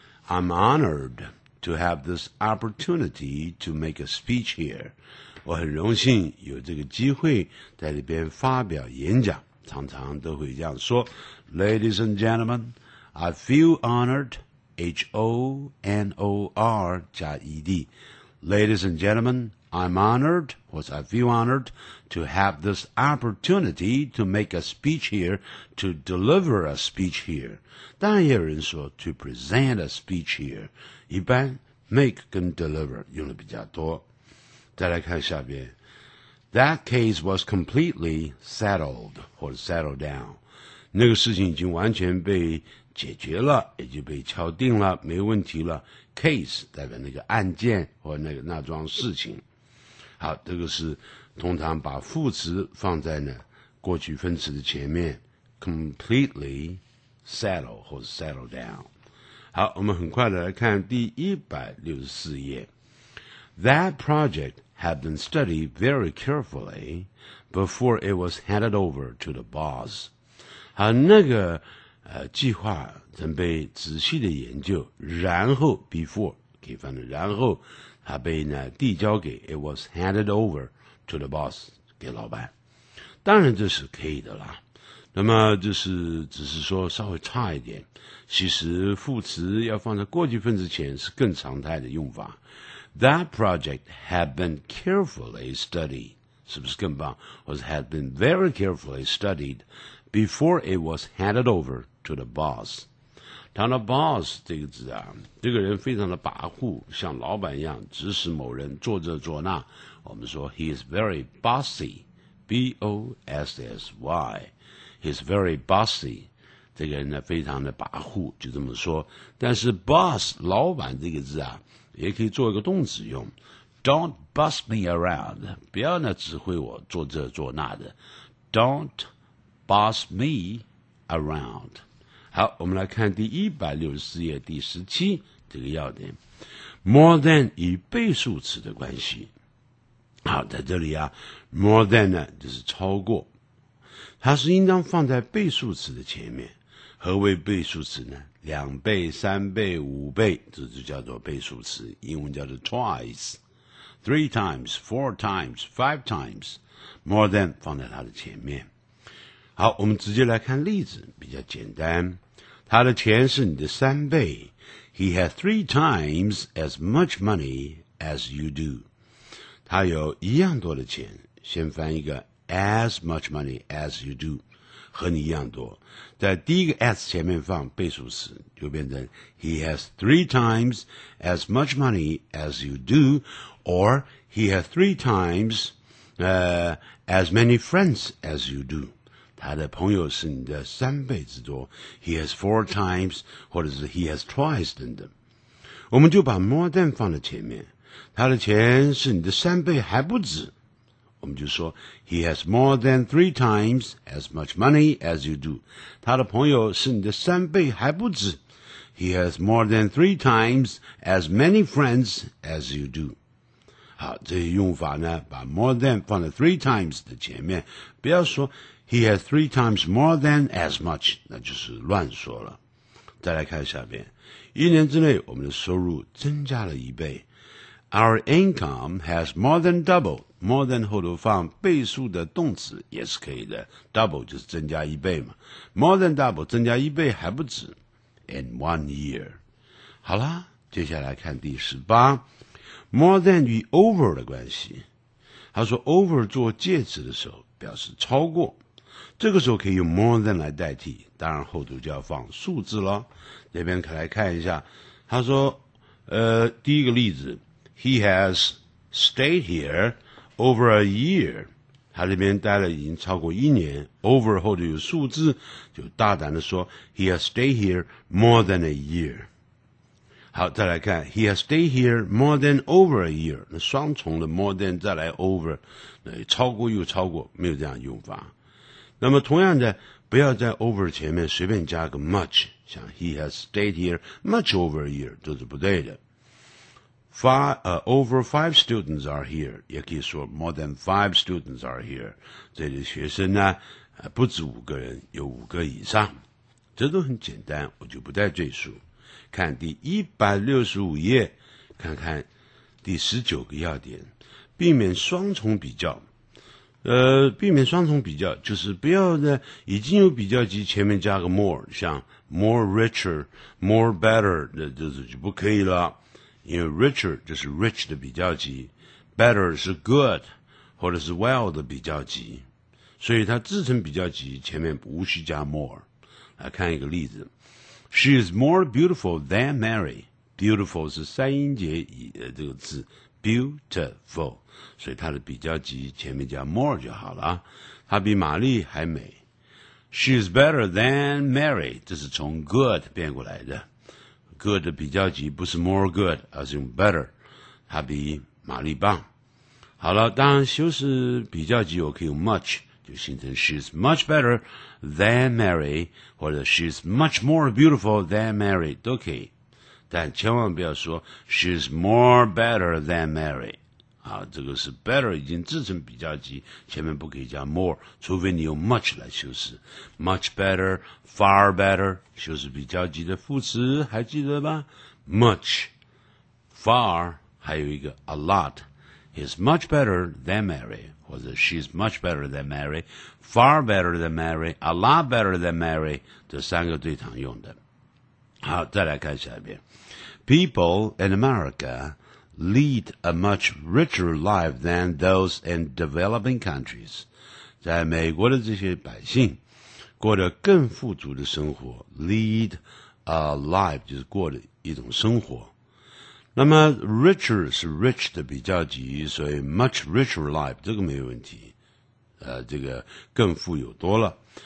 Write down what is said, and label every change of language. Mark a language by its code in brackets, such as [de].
[en] I'm honored to have this opportunity to make a speech here， [zh] 我很荣幸有这个机会在里边发表演讲，常常都会这样说， [en] Ladies and gentlemen， I feel honored， H-O-N-O-R 加 E-D， Ladies and gentlemenI'm honored, or I feel honored, to have this opportunity to make a speech here, to deliver a speech here. [zh] 当然有人说 [en] to present a speech here， [zh] 一般 make 跟 deliver 用的比较多。 [en] 再来看下边， That case was completely settled, or settled down. [zh] 那个事情已经完全被解决了，也就被敲定了，没问题了。 Case 代表那个案件或那个那桩事情。好，这个是通常把副词放在呢过去分词的前面， completely settle 或者 settle down。好，我们很快的来看第164页， [en] That project had been studied very carefully before it was handed over to the boss。 [zh] 好，那个计划曾被仔细的研究，然后 before 可以放在然后，他被呢递交给 ， [en] it was handed over to the boss， [zh] 给老板，当然这是可以的啦。那么就是只是说稍微差一点，其实副词要放在过去分词前是更常态的用法。 [en] That project had been carefully studied， [zh] 是不是更棒？ [en] 或者 had been very carefully studied before it was handed over to the boss， [zh] 他的 boss 这个字啊，这个人非常的跋扈，像老板一样指使某人做这做那。我们说 [en] he is very bossy, B-O-S-S-Y, he is very bossy。 [zh] 这个人呢非常的跋扈，就这么说。但是 boss 老板这个字啊，也可以做一个动词用。 [en] Don't boss me around, [zh] 不要呢指挥我做这做那的。 [en] Don't boss me around。 [zh] 好，我们来看第164页第17这个要点。 More than 与倍数词的关系。好，在这里啊 ,more than 呢就是超过。它是应当放在倍数词的前面。何为倍数词呢？两倍、三倍、五倍，这就叫做倍数词。英文叫做 [en] twice, three times, four times, five times, more than [zh] 放在它的前面。好，我们直接来看例子，比较简单。他的钱是你的三倍。 [en] He has three times as much money as you do. [zh] 他有一样多的钱。先翻一个 [en] as much money as you do。 [zh] 和你一样多，在第一个 as 前面放倍数词，就变成 [en] He has three times as much money as you do, or he has three times, as many friends as you do. [zh] 他的朋友是你的三倍之多。 [en] He has four times, [zh] 或者是 [en] he has twice 等等。 [zh] 我们就把 more than 放在前面，他的钱是你的三倍还不止。我们就说 [en] He has more than three times as much money as you do. [zh] 他的朋友是你的三倍还不止。 [en] He has more than three times as many friends as you do. [zh] 好，这些用法呢，把 more than 放在 three times 的前面，不要说 [en] He has three times more than as much, [zh] 那就是乱说了。再来看下边，一年之内我们的收入增加了一倍。 [en] Our income has more than doubled. [zh] More than 后头放倍数的动词也是可以的。 Double 就是增加一倍嘛。More than double 增加一倍还不止。 [en] In 1 year. [zh] 好啦，接下来看第18。 More than 与 over 的关系。他说 over 做介词的时候表示超过。这个时候可以用 more than 来代替。当然后头就要放数字咯。那边可来看一下。他说第一个例子。 [en] He has stayed here over a year. [zh] 他这边待了已经超过一年。 Over 后的有数字，就大胆的说 , [en] He has stayed here more than a year. [zh] 好，再来看 [en] ,He has stayed here more than over a year. [zh] 那双重的 more than 再来 over, 那超过又超过，没有这样用法。那么同样的，不要在 over 前面随便加个 much, 像 [en] He has stayed here much over a year, [zh] 这是不对的。 [en] Over five students are here. [zh] 也可以说 [en] more than five students are here. [zh] 这里的学生呢不止五个人，有五个以上。这都很简单，我就不再赘述。看第165页，看看第19个要点。避免双重比较。避免双重比较就是不要呢已经有比较级前面加个 more, 像 more richer, more better, 那就不可以了。因为 richer 就是 rich 的比较级， better 是 good 或者是 well 的比较级，所以它自成比较级，前面无需加 more。来看一个例子， [en] She is more beautiful than Mary. [zh] Beautiful 是三音节以这个字 beautiful, 所以它的比较级前面加 more 就好了。她比玛丽还美。 [en] She is better than Mary, [zh] 这是从 good 变过来的。 Good 的比较级不是 more good, 而是用 better, 它比玛丽棒。好了，当然修饰比较级我可以用 much, 就形成 [en] she's much better than Mary, [zh] 或者 [en] she's much more beautiful than Mary, [zh] 都可以。但千万不要说 [en] she's more better than Mary, [zh] 啊，这个是 better 已经自成比较级，前面不可以加 more, 除非你用 much 来修饰。 Much better,Far better, 就是比较级的副词，还记得吧？ [en] Much, far, 还有一个 a lot, is much better than Mary, 或者 she's much better than Mary, far better than Mary, a lot better than Mary, [zh] 这三个对常用的。好，再来看下一遍。 [en] People in America lead a much richer life than those in developing countries. [zh] 在美国的这些百姓过得更富足的生活 ,lead life 就是过的一种生活。那么 richer 是 rich 的比较级，所以 much richer life 这个没有问题，这个更富有多了。